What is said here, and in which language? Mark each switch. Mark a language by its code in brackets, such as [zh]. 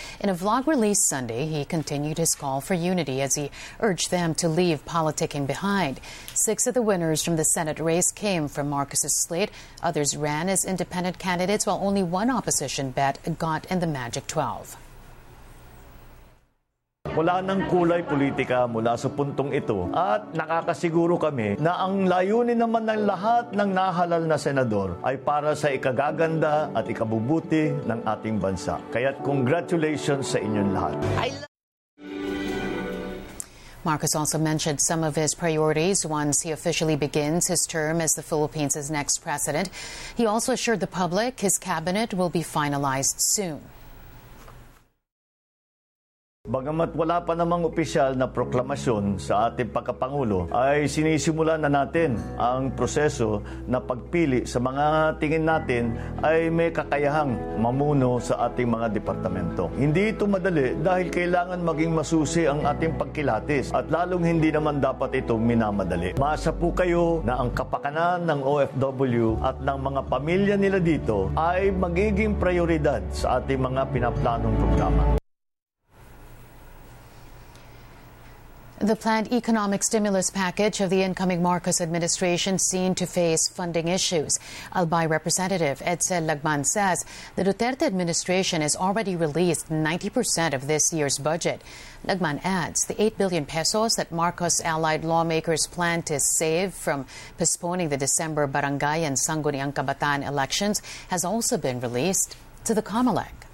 [en] In a vlog released Sunday, he continued his call for unity as he urged them to leave politicking behind. Six of the winners from the Senate race came from Marcos's slate. Others ran as independent candidates, while only one opposition bet got in the Magic 12. [tl] Wala nang kulay politika mula sa puntong ito at nakakasiguro kami na ang layunin naman ng lahat ng nahalal na senador ay para sa ikagaganda at ikabubuti ng ating bansa. Kaya't congratulations sa inyong lahat. [en] Marcos also mentioned some of his priorities once he officially begins his term as the Philippines' next president. He also assured the public his cabinet will be finalized soon. [tl] Bagamat wala pa namang opisyal na proklamasyon sa ating pagkapangulo, ay sinisimula na natin ang proseso na pagpili sa mga tingin natin ay may kakayahang mamuno sa ating mga departamento. Hindi ito madali dahil kailangan maging masusi ang ating pagkilatis at lalong hindi naman dapat ito minamadali. Maasa po kayo na ang kapakanan ng OFW at ng mga pamilya nila dito ay magiging prioridad sa ating mga pinaplanong programa. [en] The planned economic stimulus package of the incoming Marcos administration seemed to face funding issues. Albay Representative Edsel Lagman says the Duterte administration has already released 90% of this year's budget. Lagman adds the 8 billion pesos that Marcos allied lawmakers plan to save from postponing the December barangay and Sangguniang Kabataan elections has also been released to the COMELEC.